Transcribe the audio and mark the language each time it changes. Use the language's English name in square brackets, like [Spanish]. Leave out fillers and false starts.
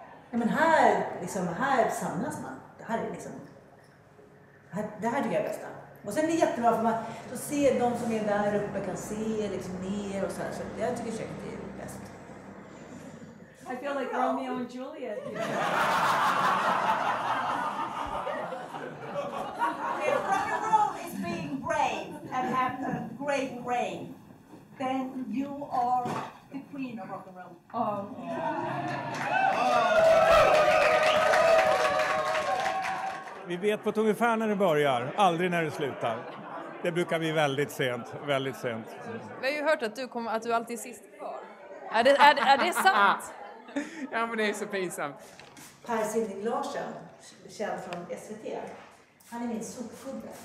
[Swedish] Ja, men här, liksom, här samlas man. Det här är liksom, det här tycker jag är bästa. Och sen är det jättebra för man så ser de som är där uppe kan se liksom ner och så här. Så det här tycker jag säkert är bäst. [English] I feel like Romeo and Juliet. Rock and roll is being brave and have a great brain. Then you are the queen of rock and roll. [Swedish] Vi vet på ungefär när det börjar, aldrig när det slutar. Det brukar bli väldigt sent, väldigt sent. Vi har ju hört att du alltid är sist kvar. Är det sant? Ja, men det är så pinsamt. Per Sinding Larsen, känd från SVT, han är min sopfugga.